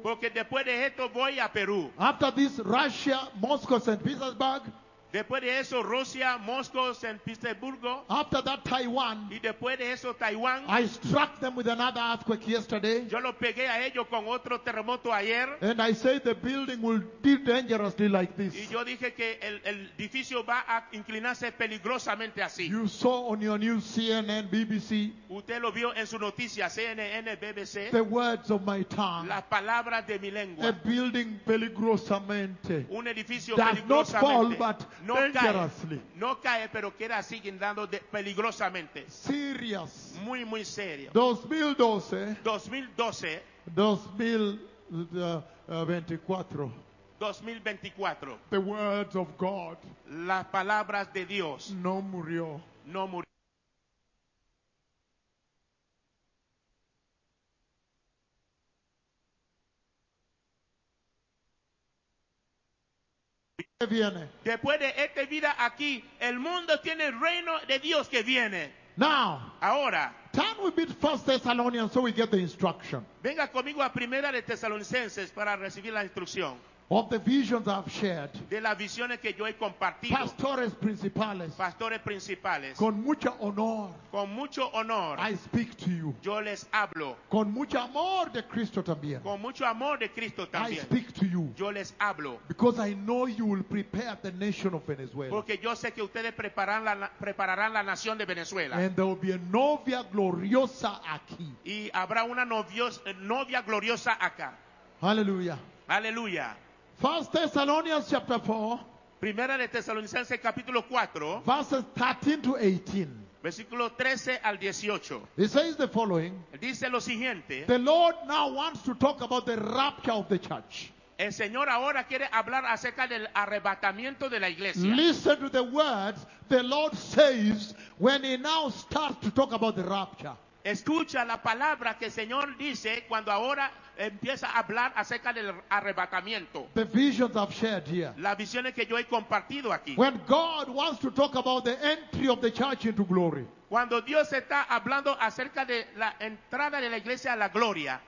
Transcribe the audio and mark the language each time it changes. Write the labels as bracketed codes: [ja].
[es] Porque después de esto voy a Perú. [en] After this Russia, Moscow, St. Petersburg. [es] Después de eso Rusia, Moscow, San Petersburgo. [en] After that Taiwan. [es] Y después de eso Taiwán. [en] I struck them with another earthquake yesterday. [es] Yo lo pegué a ellos con otro terremoto ayer. [en] And I say the building will tilt dangerously like this. [es] Y yo dije que el edificio va a inclinarse peligrosamente así. [en] You saw on your news CNN, BBC. [es] Usted lo vio en su noticia CNN, BBC. [en] The words of my tongue. [es] Las palabras de mi lengua. [en] A building peligrosamente. [es] Un edificio [en] does [es] peligrosamente. [en] Not fall, but [es] no cae, no cae, pero queda así guindando peligrosamente. [en] Serious. [es] Muy, muy serio. 2012. 2012. 2024. 2024. [en] The words of God. [es] Las palabras de Dios. No murió. No murió. Viene. Después de esta vida aquí, el mundo tiene el reino de Dios que viene. [en] Now, [es] ahora, [en] turn with me to 1 Thessalonians so we get the instruction. [es] Venga conmigo a Primera de Tesalonicenses para recibir la instrucción. [en] Of the visions I've shared. [es] De las visiones que yo he compartido. Pastores principales. Pastores principales. Con mucho honor. Con mucho honor. [en] I speak to you. [es] Yo les hablo. Con mucho amor de Cristo también. Con mucho amor de Cristo también. [en] I speak to you. [es] Yo les hablo. [en] Because I know you will prepare the nation of Venezuela. [es] Porque yo sé que ustedes prepararán la nación de Venezuela. [en] And there will be a [es] novia gloriosa aquí. Y habrá una novia gloriosa acá. Hallelujah. Hallelujah. [en] 1 Thessalonians chapter 4. [es] Primera de Tesalonicenses capítulo 4. [en] Verses 13 to 18. [es] Versículo 13 al 18. [en] It says the following. [es] Dice lo siguiente. [en] The Lord now wants to talk about the rapture of the church. [es] El Señor ahora quiere hablar acerca del arrebatamiento de la iglesia. [en] Listen to the words the Lord says when he now starts to talk about the rapture. [es] Escucha la palabra que el Señor dice cuando ahora empieza a hablar acerca del arrebatamiento. [en] The visions I've shared here. [es] Las visiones que yo he compartido aquí. [en] When God wants to talk about the entry of the church into glory. [es] Cuando Dios está hablando acerca de la entrada de la iglesia a la gloria.